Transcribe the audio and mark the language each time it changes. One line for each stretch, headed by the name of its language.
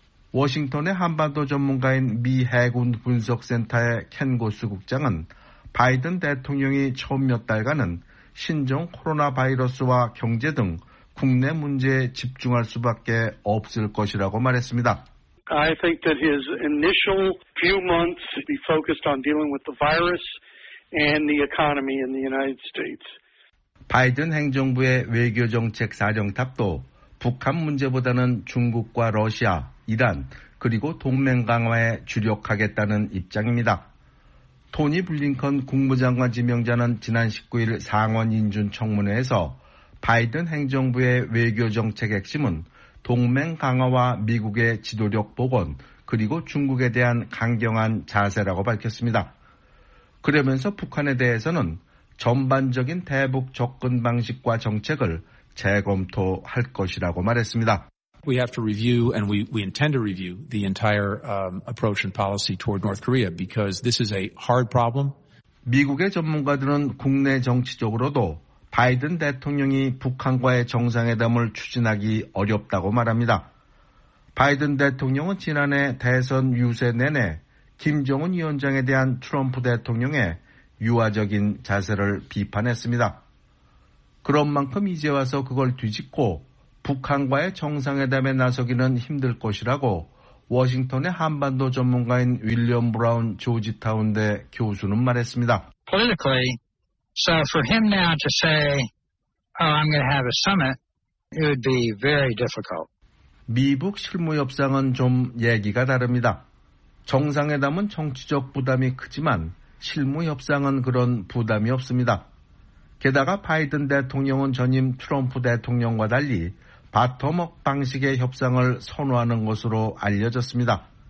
Korean: 워싱턴의 한반도 전문가인 미 해군 분석센터의 켄 고스 국장은 바이든 대통령이 처음 몇 달간은 신종 코로나 바이러스와 경제 등 국내 문제에 집중할 수밖에 없을 것이라고 말했습니다.
English: I think that his initial few months would be focused on dealing with the virus and the economy in the United States.
Korean: 바이든 행정부의 외교정책 사령탑도 북한 문제보다는 중국과 러시아, 이란 그리고 동맹 강화에 주력하겠다는 입장입니다. 토니 블링컨 국무장관 지명자는 지난 19일 상원 인준 청문회에서 바이든 행정부의 외교정책 핵심은 동맹 강화와 미국의 지도력 복원 그리고 중국에 대한 강경한 자세라고 밝혔습니다. 그러면서 북한에 대해서는 전반적인 대북 접근 방식과 정책을 재검토할 것이라고 말했습니다.
English: We have to review and we intend to review the entire approach and policy toward North Korea because this is a hard problem.
Korean: 미국의 전문가들은 국내 정치적으로도 바이든 대통령이 북한과의 정상회담을 추진하기 어렵다고 말합니다. 바이든 대통령은 지난해 대선 유세 내내 김정은 위원장에 대한 트럼프 대통령의 유화적인 자세를 비판했습니다. 그런 만큼 이제 와서 그걸 뒤집고 북한과의 정상회담에 나서기는 힘들 것이라고 워싱턴의 한반도 전문가인 윌리엄 브라운 조지타운대 교수는 말했습니다.
English: Politically, so for him now to say, oh, I'm going to have a summit, it would be very difficult.
Korean: 미북 실무협상은 좀 얘기가 다릅니다. 정상회담은 정치적 부담이 크지만 실무협상은 그런 부담이 없습니다. 게다가 바이든 대통령은 전임 트럼프 대통령과 달리 바텀업 방식의 협상을 선호하는 것으로 알려졌습니다.